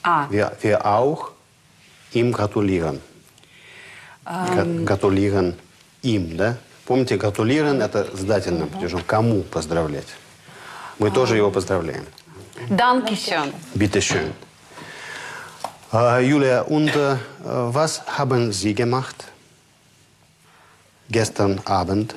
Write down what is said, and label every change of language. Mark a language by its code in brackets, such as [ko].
[de] Wir auch ihm gratulieren. Gratulieren ihm, [ru] да? Помните, gratulieren – это сдательное падежом. Кому поздравлять? Мы тоже его поздравляем. [de] Danke schön. Bitte schön. Julia, und was haben Sie gemacht gestern Abend?